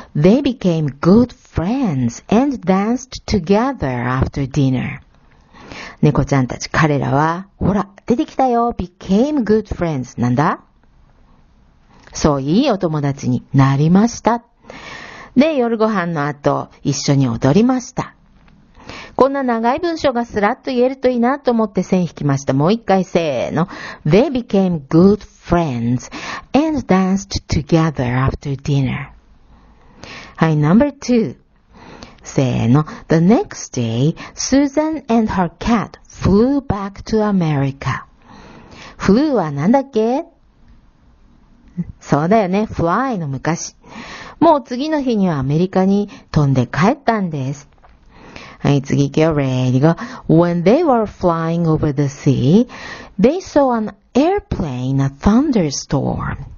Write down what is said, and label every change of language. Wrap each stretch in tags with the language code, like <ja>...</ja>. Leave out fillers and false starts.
<en>They became good friends and danced together after dinner.</en> <ja>猫ちゃんたち、彼らは、ほら、出てきたよ。</ja> <en>became good friends。</en> <ja>なんだ？そう、いいお友達になりました。で、夜ご飯の後、一緒に踊りました。こんな長い文章がスラッと言えるといいなと思って線引きました。もう一回、せーの。</ja> <en>They became good friends and danced together after dinner.</en> <ja>はい、number two. せーの。</ja> <en>The next day, Susan and her cat flew back to America. Flew</en> <ja>はなんだっけ？そうだよね、フライの昔。もう次の日にはアメリカに飛んで帰ったんです。はい、次行くよ、</ja> <en>Ready go. When they were flying over the sea, they saw an airplane, a thunderstorm.</en>